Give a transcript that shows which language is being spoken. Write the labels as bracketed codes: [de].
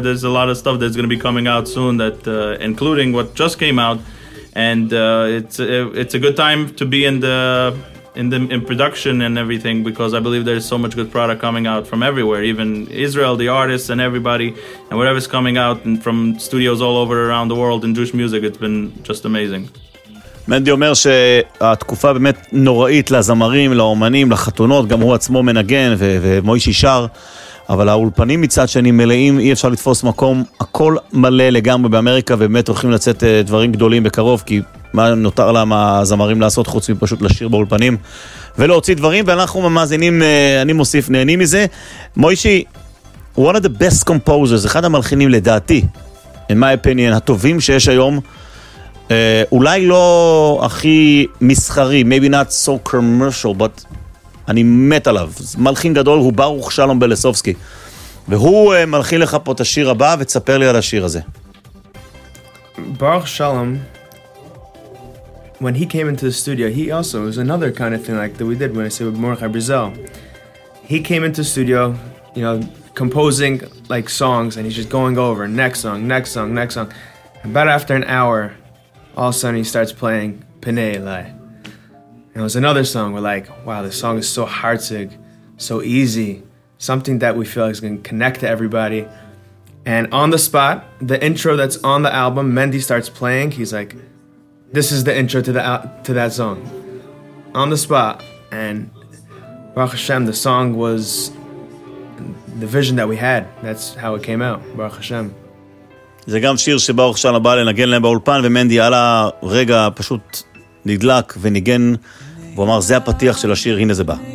[en] There's a lot of stuff that's going to be coming out soon, that including what just came out, and it's a good time to be in production and everything, because I believe there's so much good product coming out from everywhere, even Israel, the artists and everybody, and whatever's coming out and from studios all over around the world in Jewish music. It's been just amazing. [he] מנדי אומר שהתקופה באמת נוראית לזמרים, לאומנים, לחתונות, גם הוא עצמו מנגן ומוישי שר, אבל האולפנים מצד שני מלאים, אי אפשר לתפוס מקום, הכל מלא לגמרי באמריקה, ובאמת הולכים לצאת דברים גדולים בקרוב, כי מה נותר להם הזמרים לעשות חוץ מפשוט לשיר באולפנים, ולהוציא דברים, ואנחנו המאזינים, אני מוסיף, נהנים מזה. מוישי, [en] one of the best composers, [he] אחד המלחינים לדעתי, [en] in my opinion, [he] הטובים שיש היום, אולי לא הכי מסחרי, [en] maybe not so commercial, but [he] אני מת עליו. מלחין גדול הוא ברוך שלום בלסובסקי. והוא מלחין לך פה את השיר הבא, ותספר לי על השיר הזה. [en] Baruch Shalom, when he came into the studio, he also, it was another kind of thing like that we did when I said with Mordechai Brizel. He came into the studio, you know, composing like songs, and he's just going over, next song, next song, next song. About after an hour, all of a sudden he starts playing Pnei Elai. And it was another song, we're like, wow, this song is so hartzig, so easy, something that we feel like is going to connect to everybody. And on the spot, the intro that's on the album, Mendy starts playing. He's like, this is the intro to that song. On the spot. And Baruch Hashem, the song was the vision that we had. That's how it came out, Baruch Hashem. [he] זה גם שיר שברוך שלום בא לנגן להם באולפן, ומנדי עלה רגע פשוט נדלק וניגן, והוא אמר, זה הפתיח של השיר, הנה זה בא.